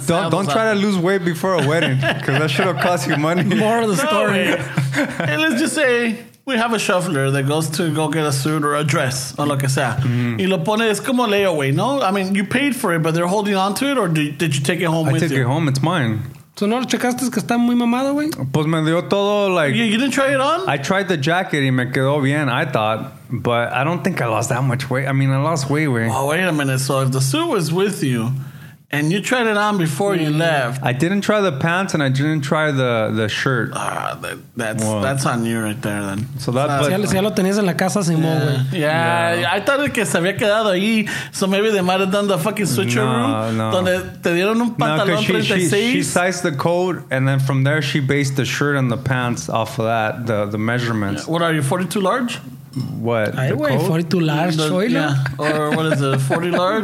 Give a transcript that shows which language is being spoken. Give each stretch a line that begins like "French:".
English: Don't try to lose weight before a wedding, because that should have cost you money. More of the story. And let's just say, we have a shuffler that goes to go get a suit or a dress or
Spanish: lo que sea. Mm-hmm. Y lo pone, es como layaway, no?
English: I mean, you paid for it, but they're holding on to it, or did you take it home with you? I took it home. It's mine.
Spanish: So no lo checaste, es que está muy mamado, güey? Pues me dio todo, like...
English: You didn't try it on? I tried the jacket
Spanish: y me quedó bien,
English: I thought. But I don't think I lost that much weight. I mean, I lost weight, güey. Oh, wait a minute. So if the suit was with you... And you tried it on before you left. I didn't try the pants and I didn't try the shirt. That's on you right there then. So that's...
Spanish: Ya lo tenías en la casa, Simón, güey.
English: Yeah, I thought
Spanish: que se había quedado ahí.
English: So maybe they might have done the fucking switcheroo. No.
Spanish: Donde te dieron un pantalón 36.
English: She sized the coat and then from there she based the shirt and the pants off of that, the measurements. Yeah. What are you, 42 large? What? I weigh 42 large, or what is it? 40 large?